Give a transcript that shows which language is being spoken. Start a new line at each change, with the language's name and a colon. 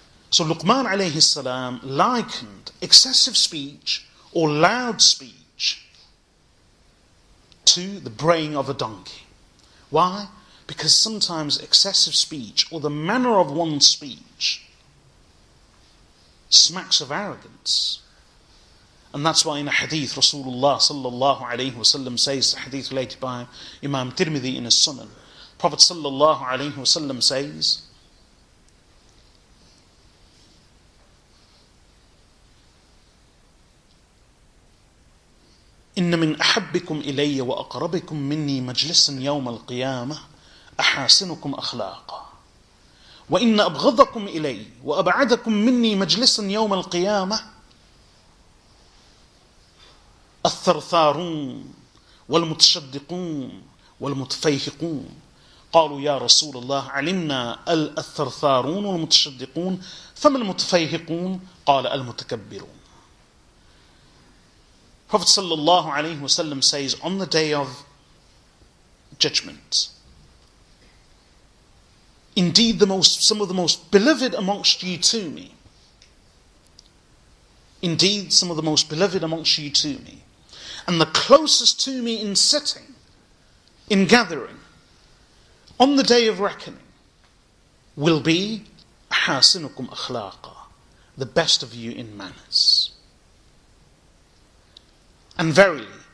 English: So Luqman alayhi salam likened excessive speech or loud speech to the braying of a donkey. Why? Because sometimes excessive speech or the manner of one's speech smacks of arrogance. And that's why in a hadith, Rasulullah sallallahu alayhi wasallam says, a hadith related by Imam Tirmidhi in his Sunan, Prophet sallallahu alayhi wasallam says,
Arabic: إن من أحبكم إلي وأقربكم مني مجلسا يوم القيامة أحاسنكم أخلاقا وإن أبغضكم إلي وأبعدكم مني مجلسا يوم القيامة الثرثارون والمتشدقون والمتفيهقون. قالوا يا رسول الله علمنا الثرثارون والمتشدقون فما المتفيهقون قال المتكبرون.
English: Prophet sallallahu alayhi wa sallam says, on the day of judgment, indeed some of the most beloved amongst you to me, and the closest to me in sitting, in gathering, on the day of reckoning, will be
Arabic: ahasinukum akhlaqa,
English: the best of you in manners. And verily,